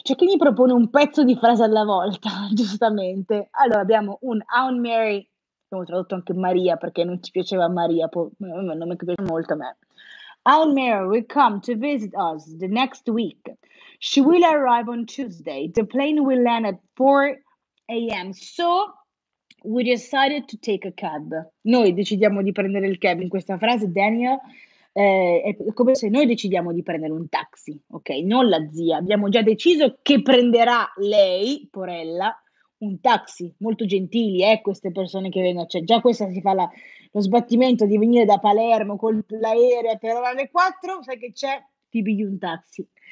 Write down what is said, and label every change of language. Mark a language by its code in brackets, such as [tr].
[it] C'è chi mi propone un pezzo di frase alla volta, giustamente. Allora abbiamo un Aunt Mary, abbiamo tradotto anche Maria perché non ci piaceva Maria, non mi piace molto a me. [en] Aunt Mary will come to visit us the next week. She will arrive on Tuesday. The plane will land at 4 AM. So we decided to take a cab. [it] Noi decidiamo di prendere il cab. In questa frase, Daniel, è come se noi decidiamo di prendere un taxi, ok? Non la zia. Abbiamo già deciso che prenderà lei, porella, un taxi. Molto gentili, queste persone che vengono. Cioè, già questa si fa lo sbattimento di venire da Palermo con l'aereo per alle 4. Sai che c'è? Ti pigli un taxi.